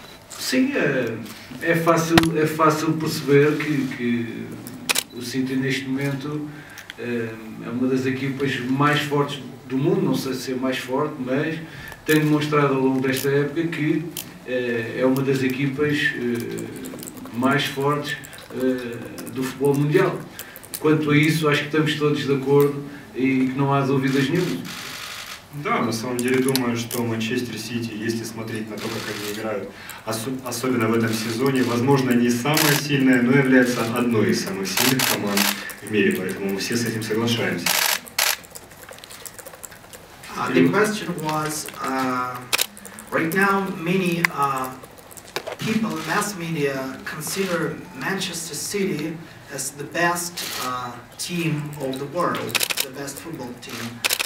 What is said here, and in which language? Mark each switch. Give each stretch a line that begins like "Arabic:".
Portuguese: Sim, é fácil perceber que o City neste momento é uma das equipas mais fortes do mundo, não sei se é mais forte, mas tem demonstrado ao longo desta época que é uma das equipas mais fortes do futebol mundial. Quanto a isso, acho que estamos todos de acordo e que não há dúvidas nenhuma.
Russian: Да, на самом деле думаю, что Манчестер Сити, если смотреть на то, как они играют, особенно в этом сезоне, возможно, не самая сильная, но является одной из самых сильных команд в мире, поэтому мы все с этим соглашаемся.
English: The question was, right now many people, mass media, consider Manchester City as the best team of the world, the best football team.